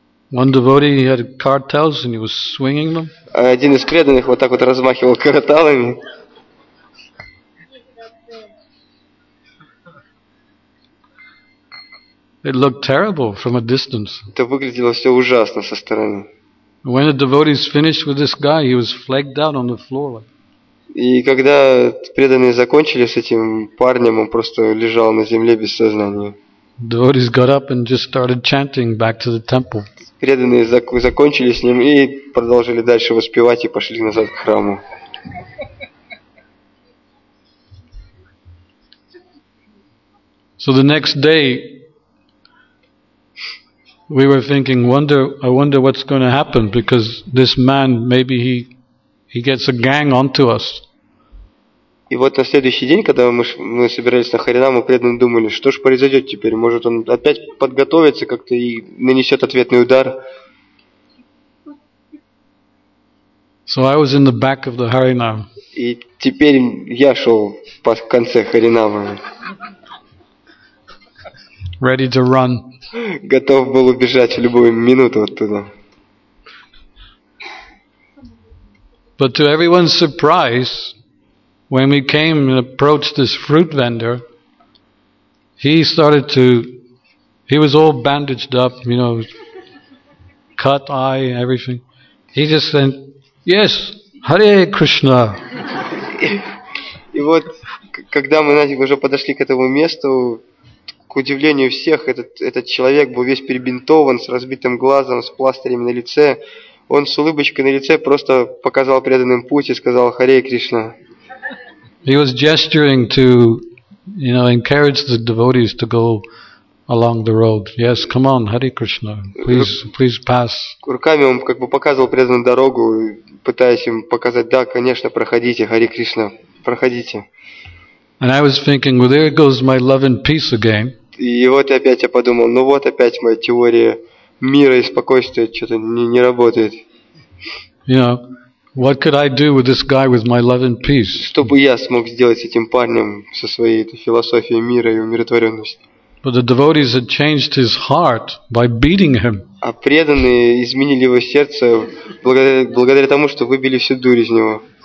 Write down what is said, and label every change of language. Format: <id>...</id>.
<en>One devotee, he had cartels and he was swinging them.</en> <ru>Один из преданных вот так вот размахивал карталами.</ru> <en>It looked terrible from a distance.</en> <ru>Это выглядело все ужасно со стороны.</ru> <en>When the devotees finished with this guy, he was flagged out on the floor.</en> <ru>И когда преданные закончили с этим парнем, он просто лежал на земле без сознания.</ru> <en>Devotees got up and just started chanting back to the temple.</en> <ru>Преданные закончили с ним и продолжили дальше воспевать и пошли назад к храму.</ru> <en>So the next day we were thinking, I wonder what's going to happen, because this man, maybe he gets a gang onto us.</en> <ru>И вот на следующий день, когда мы собирались на Харинаму, преданные думали, что же произойдет теперь? Может, он опять подготовится как-то и нанесет ответный удар?</ru> <en>So I was in the back of the Harinam.</en> <ru>И теперь я шел по конце Харинама.</ru> <en>Ready to run.</en> <ru>Готов был убежать в любую минуту оттуда.</ru> <en>But to everyone's surprise, when we came and approached this fruit vendor, he was all bandaged up, you know, cut eye and everything. He just said, yes, Hare Krishna.</en> <ru>И вот, когда мы уже подошли к этому месту, к удивлению всех, этот человек был весь перебинтован, с разбитым глазом, с пластырями на лице. Он с улыбочкой на лице просто показал преданным путь и сказал, Hare Krishna.</ru> <en>He was gesturing to, you know, encourage the devotees to go along the road. Yes, come on, Hare Krishna, please pass.</en> <ru>Руками он как бы показывал преданным дорогу, пытаясь им показать, да, конечно, проходите, Hare Krishna, проходите.</ru> <en>And I was thinking, well, there goes my love and peace again.</en> <ru>И вот опять я подумал, ну вот опять моя теория мира и спокойствия что-то не работает.</ru> <en>You know. What could I do with this guy with my love and peace?</en> <ru>Что бы я смог сделать с этим парнем со своей этой философией мира и умиротворенности?</ru> <en>But the devotees had changed his heart by beating him.</en> <ru>А преданные изменили его сердце благодаря тому, что выбили всю дурь из него.</ru>